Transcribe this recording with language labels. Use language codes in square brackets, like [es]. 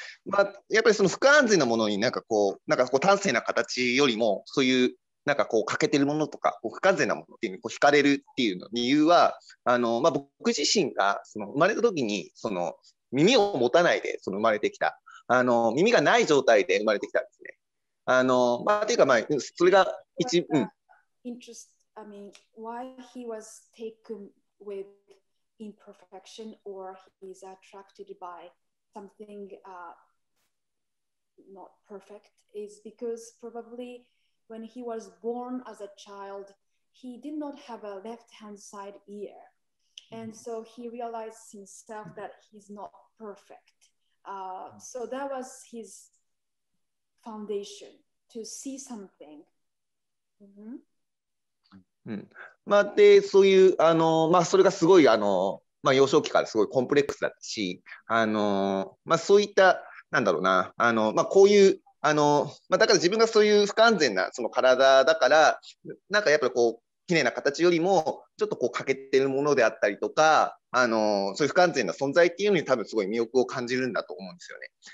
[ja] まあ、やっぱりその不完全なものになんかこう、なんかこう端正な形よりも、そういうなんかこう欠けてるものとか不完全なものっていうのにこう惹かれるっていうの理由はあの、まあ、僕自身がその生まれた時にその耳を持たないでその生まれてきたあの耳がない状態で生まれてきたんですね。あの、まあ、ていうか、まあ、それが一番、 [en] interest, I mean, why he was taken with imperfection or he's attracted by something not perfect is because probablywhen he was born as a child, he did not have a left-hand side ear. And so he realized himself that he's not perfect. So that was his foundation to see something. Mm-hmm. [ja] まあ、で、そういう、あの、まあ、それがすごい、あの、まあ、幼少期からすごいコンプレックスだったし、あの、まあ、そういった、なんだろうな、あの、まあ、こういう、あのまあ、だから自分がそういう不完全なその体だからなんかやっぱりこう綺麗な形よりもちょっとこう欠けてるものであったりとかあのそういう不完全な存在っていうのに多分すごい魅力を感じるんだと思うんですよね。